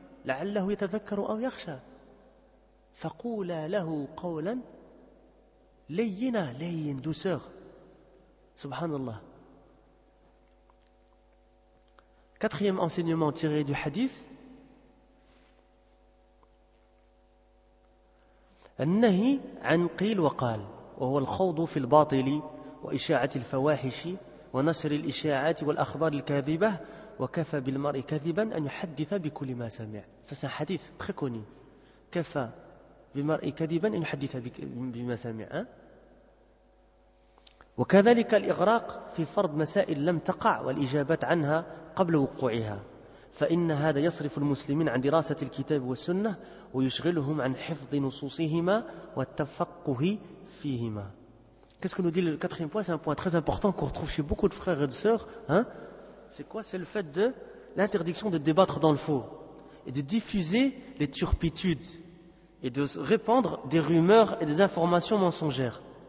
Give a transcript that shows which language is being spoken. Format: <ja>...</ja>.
<ar>لَعَلَّهُ يَتَذَكَّرُ أَوْ يَخْشَى فَقُولَ لَهُ قَوْلًا Layyina, layyin, douceur. Subhanallah.</ar> <fr>Quatrième enseignement tiré du hadith.</fr> <ar>النهي عن قيل وقال وهو الخوض في الباطل وإشاعة الفواحش ونشر الإشاعات والأخبار الكاذبة وكفى بالمرء كذبا أن يحدث بكل ما سمع. هذا حديث</ar> <fr>très connu.</fr> <ar>كفى بالمرء كذبا أن يحدث بما سمع. وكذلك الإغراق في فرض مسائل لم تقع والإجابات عنها قبل وقوعها، فإن هذا يصرف المسلمين عن دراسة الكتاب والسنة ويشغلهم عن حفظ نصوصهما والتفقه فيهما.</ar> <fr>Qu'est-ce que nous dit le quatrième point? C'est un point très important qu'on retrouve chez beaucoup de frères et de sœurs. Hein? C'est quoi? C'est le fait de l'interdiction de débattre dans le faux et de diffuser les turpitudes et de répandre des rumeurs et des informations mensongères.</fr>